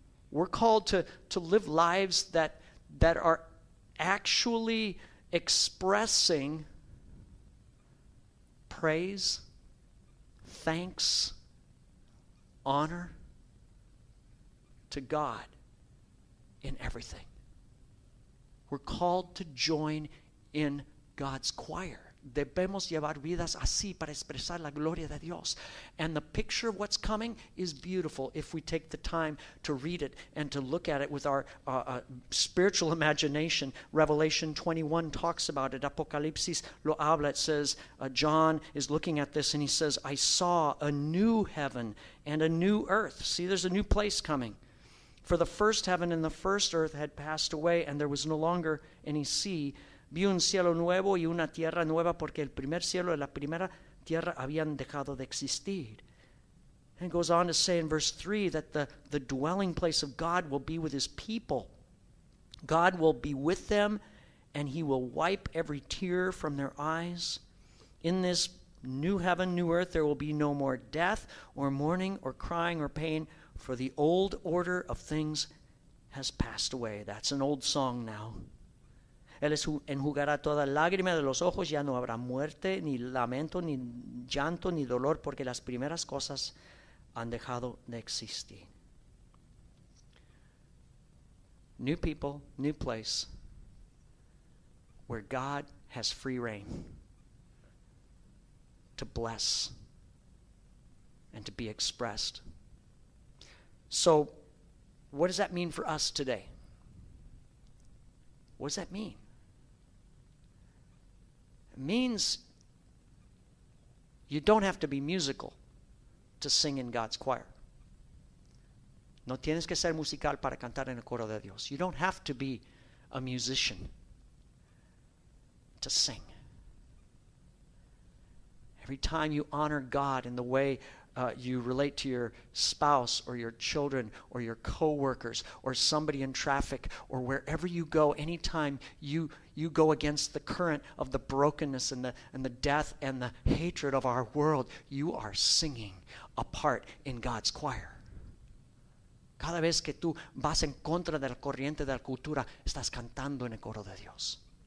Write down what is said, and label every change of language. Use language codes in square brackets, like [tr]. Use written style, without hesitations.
[en] We're called to live lives that are actually expressing praise, thanks, honor to God in everything. We're called to join in God's choir. [es] Debemos llevar vidas así para expresar la gloria de Dios. [en] And the picture of what's coming is beautiful if we take the time to read it and to look at it with our spiritual imagination. Revelation 21 talks about it. [es] Apocalipsis lo habla. [en] It says, John is looking at this and he says, I saw a new heaven and a new earth. See, there's a new place coming. For the first heaven and the first earth had passed away and there was no longer any sea. [es] Vi un cielo nuevo y una tierra nueva porque el primer cielo y la primera tierra habían dejado de existir. [en] And it goes on to say in verse 3 that the dwelling place of God will be with his people. God will be with them and he will wipe every tear from their eyes. In this new heaven, new earth, there will be no more death or mourning or crying or pain, for the old order of things has passed away. That's an old song now. [es] Él enjugará toda lágrima de los ojos, ya no habrá muerte, ni lamento, ni llanto, ni dolor, porque las primeras cosas han dejado de existir. [en] New people, new place, where God has free reign to bless and to be expressed. So, what does that mean for us today? What does that mean? Means you don't have to be musical to sing in God's choir. [es] No tienes que ser musical para cantar en el coro de Dios. [en] You don't have to be a musician to sing. Every time you honor God in the way you relate to your spouse or your children or your coworkers or somebody in traffic or wherever you go, anytime you go against the current of the brokenness and the death and the hatred of our world, you are singing a part in God's choir. [es] Cada vez que tú vas en contra de la corriente de la cultura, estás cantando en el coro de Dios.